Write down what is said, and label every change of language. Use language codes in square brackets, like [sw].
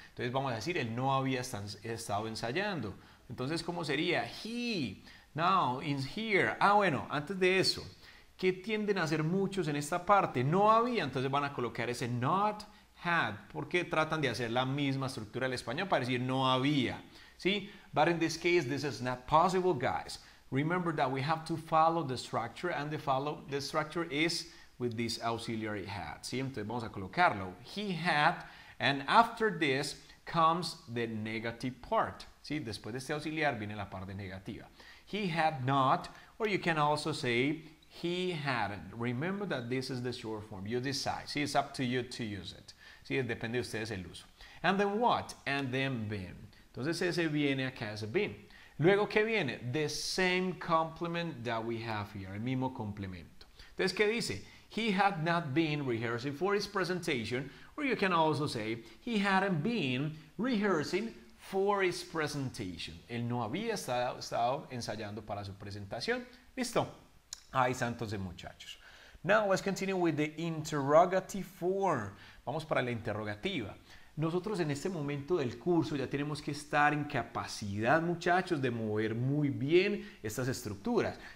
[es] Entonces vamos a decir, él no había estado ensayando. Entonces, ¿cómo sería? [en] He, now, in here. [es] Ah, bueno, antes de eso, ¿qué tienden a hacer muchos en esta parte? No había, entonces van a colocar ese not, had. ¿Por qué tratan de hacer la misma estructura del español para decir no había? ¿Sí? [en] But in this case, this is not possible, guys. Remember that we have to follow the structure, and the structure is with this auxiliary had. [es] ¿Sí? Entonces vamos a colocarlo. [en] He had, and after this comes the negative part. ¿Sí? [es] Después de este auxiliar viene la parte negativa. [en] He had not, or you can also say he hadn't. Remember that this is the short form. You decide. [es] ¿Sí? [en] It's up to you to use it. ¿Sí? [es] Depende de ustedes el uso. [en] And then what? And then been. [es] Entonces ese viene acá es been. Luego, ¿qué viene? [en] The same complement that we have here. [es] El mismo complemento. Entonces, ¿qué dice? [en] He had not been rehearsing for his presentation. Or you can also say, he hadn't been rehearsing for his presentation. [es] Él no había estado ensayando para su presentación. ¿Listo? Ahí está entonces, muchachos. [en] Now, let's continue with the interrogative form. [es] Vamos para la interrogativa. Nosotros en este momento del curso ya tenemos que estar en capacidad, muchachos, de mover muy bien estas estructuras.